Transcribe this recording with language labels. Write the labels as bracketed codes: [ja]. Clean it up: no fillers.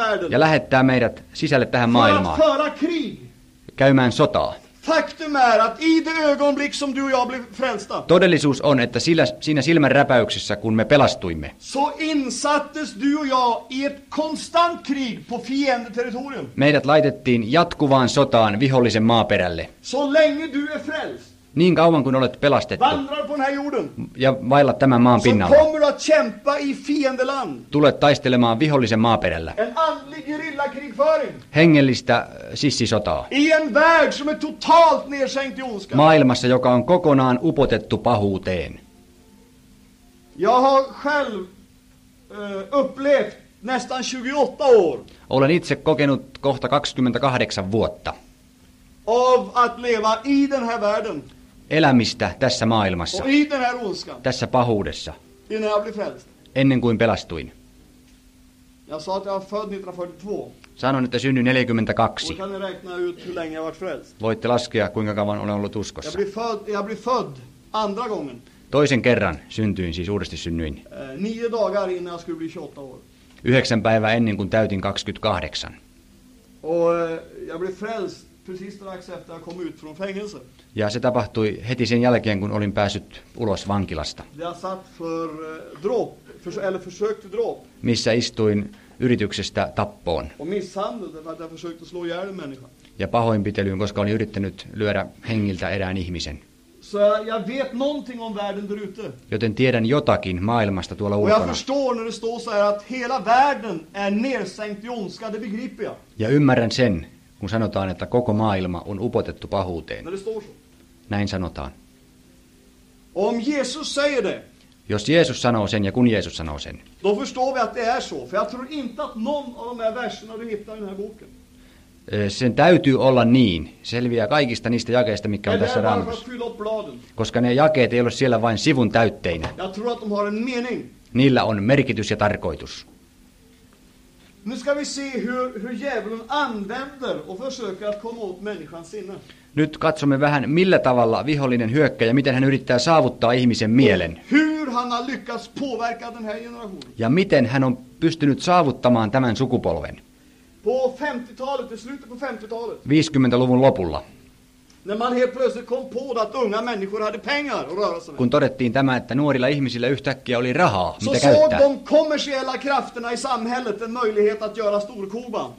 [fi] Ja lähettää meidät sisälle tähän maailmaan. Käymään sotaa. [sv] Faktum är att i det ögonblick som du och jag blev frälsta. [fi] Todellisuus on, että siinä silmän räpäyksessä, kun me pelastuimme. [sv] Så insattes du och jag i ett konstant krig på fiendeterritorium. [fi] Meidät laitettiin jatkuvaan sotaan vihollisen maaperälle. [sv] Så länge du är frälst. [fi] Niin kauan kun olet pelastettu. [sv] Vandrar på den här jorden. [fi] Ja vailla tämän maan pinnalla. [sv] Så kommer du att kämpa i fiendeland. [fi] Tulet taistelemaan vihollisen maaperällä. [sv] En andlig gerillakrigföring. [fi] Hengellistä sissisotaa. [sv] I en värld som är totalt nedsänkt i ondska. [fi] Maailmassa, joka on kokonaan upotettu pahuuteen. [sv] Jag har själv upplevt nästan 28 år. [fi] Olen itse kokenut kohta 28 vuotta. [sv] Av att leva i den här världen. [fi] Elämistä tässä maailmassa. [sv] I den här ondskan. [fi] Tässä pahuudessa. [sv] Innan jag blev frälst. [fi] Ennen kuin pelastuin. [sv] Jag sa att jag var född 1942. [fi] Sanon, että synnyin 42. [sv] Och kan ni räkna ut hur länge jag varit frälst? [fi] Voitte laskea, kuinka kauan olen ollut uskossa. [sv] Jag blev född andra gången. [fi] Toisen kerran syntyin, siis uudesti synnyin. [sv] 9 dagar innan jag skulle bli 28 år. [fi] 9 päivää ennen kuin täytin 28. [sv] Och jag blev frälst. Precis strax efter jag kom ut från fängelse. [fi] Ja se tapahtui heti sen jälkeen, kun olin päässyt ulos vankilasta. [sv] Jag satt för dråp, eller försökte dråp. [fi] Missä istuin yrityksestä tappoon. [sv] Och misshandel, därför att jag försökte slå ihjäl en människa. [fi] Ja pahoinpitelyyn, koska olin yrittänyt lyödä hengiltä erään ihmisen. [sv] Så jag vet någonting om världen där ute. [fi] Joten tiedän jotakin maailmasta tuolla ulkona. [sv] Och jag förstår när det står så här att hela världen är nedsänkt i ondska, det begriper jag. [fi] Ja ymmärrän sen. Kun sanotaan, että koko maailma on upotettu pahuuteen. Näin sanotaan. [sv] Om Jesus säger det, [fi] jos Jeesus sanoo sen ja kun Jeesus sanoo sen. [sv] Då förstår vi att det är så. För jag tror inte att någon av de här verserna du hittar i den här boken. [fi] Sen täytyy olla niin. Selviää kaikista niistä jakeista, mitkä on tässä raamatussa. Koska ne jakeet ei ole siellä vain sivun täytteinä. [sv] Jag tror att de har en mening. [fi] Niillä on merkitys ja tarkoitus. [sv] Nu ska vi se hur djävulen använder och försöker att komma åt människans sinne. [fi] Nyt katsomme vähän millä tavalla vihollinen hyökkää ja miten hän yrittää saavuttaa ihmisen mielen. [sv] Hur han har lyckats påverka den här generationen. [fi] Ja miten hän on pystynyt saavuttamaan tämän sukupolven. [sv] På 50-talet, i slutet på 50-talet. [fi] 50-luvun lopulla. [sv] När man helt plötsligt kom på att unga människor hade pengar att röra sig med. [fi] Kun todettiin tämä, että nuorilla ihmisillä yhtäkkiä oli rahaa, mitä käyttää. [sv] Så såg de kommersiella krafterna i samhället en möjlighet att göra storkovan.